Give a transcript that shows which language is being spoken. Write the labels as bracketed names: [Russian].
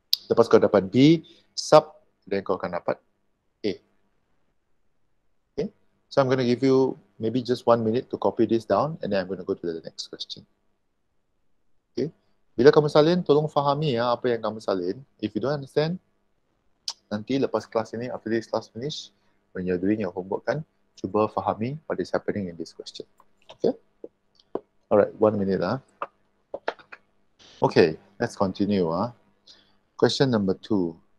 [Malay] Lepas kau dapat B, sub, then kau akan dapat A. [English] Okay, so I'm going to give you maybe just 1 minute to copy this down and then I'm going to go to the next question. Okay. [Malay] Bila kamu salin, tolong fahami ya apa yang kamu salin. [English] If you don't understand, [Malay] nanti lepas kelas ini, [English] after this class finish, when you're doing your homework kan, [Malay] cuba fahami [English] what is happening in this question. Okay? Alright, 1 minute lah. Okay, let's continue. Question number 2.